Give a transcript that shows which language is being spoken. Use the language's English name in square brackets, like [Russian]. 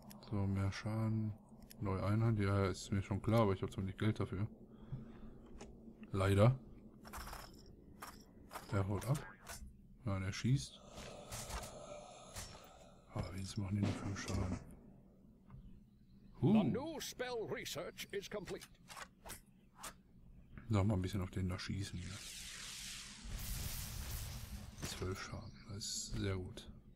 [German] So, mehr Schaden. Neue Einheit. Ja, ist mir schon klar, aber ich habe zwar nicht Geld dafür. Leider. Er holt ab. Nein, er schießt. Aber wie machen die nur für einen Schaden? [English] The new spell research is complete. [German] Noch mal ein bisschen auf den da schießen hier. 12 Schaden, das ist sehr gut.